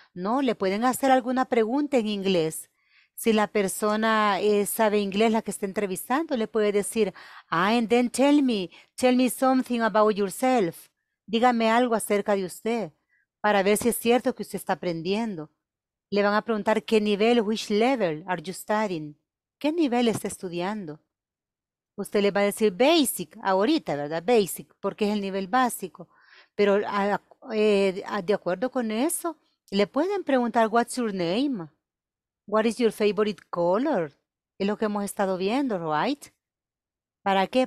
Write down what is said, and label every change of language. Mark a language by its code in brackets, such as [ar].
[es] No, le pueden hacer alguna pregunta en inglés. Si la persona sabe inglés, la que está entrevistando, le puede decir, ah, [en] and then tell me something about yourself. [es] Dígame algo acerca de usted, para ver si es cierto que usted está aprendiendo. Le van a preguntar qué nivel, [en] which level are you studying? [es] ¿Qué nivel está estudiando? Usted le va a decir basic, ahorita, ¿verdad? Basic, porque es el nivel básico. Pero de acuerdo con eso, Le pueden preguntar, [en] what's your name? What is your favorite color? [es] Es lo que hemos estado viendo, [en] right? [es] ¿Para qué?